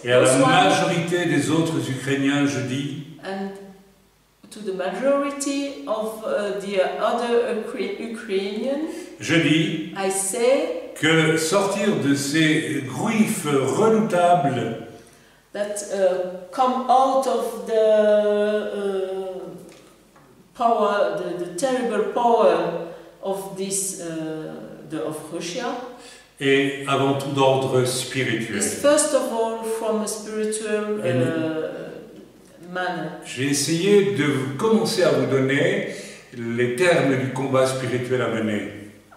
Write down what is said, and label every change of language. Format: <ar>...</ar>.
<fr>Et à la majorité des autres Ukrainiens, je dis.</fr> <en>And to the majority of the other Ukrainians.</en> <fr>Je dis.</fr> <en>I say.</en> <fr>Que sortir de ces griffes redoutables.</fr> <en>That come out of the power, the terrible power of this of Russia.</en> <fr>Et avant tout d'ordre spirituel.</fr> <en>It's first of all from a spiritual manner.</en> <fr>J'ai essayé de commencer à vous donner les termes du combat spirituel à mener.</fr>